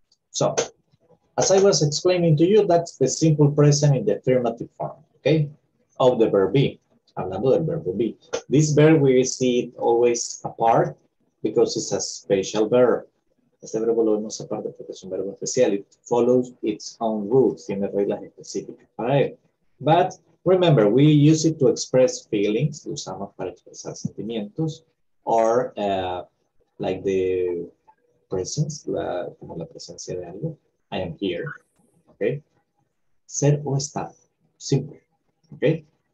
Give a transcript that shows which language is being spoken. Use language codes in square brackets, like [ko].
[en] So, as I was explaining to you, that's the simple present in the affirmative form, okay? Of the verb be. [es] Hablando del verbo be. [en] This verb, we see it always apart because it's a special verb. [es] Este verbo lo vemos aparte porque es un verbo especial. [en] It follows its own rules. [es] Tiene reglas específicas para él. [en] But remember, we use it to express feelings. [es] Lo usamos para expresar sentimientos. [en] Or like the presence, [es] la, como la presencia de algo. [en] I am here. [es] Okay. Ser o estar. Simple. Okay.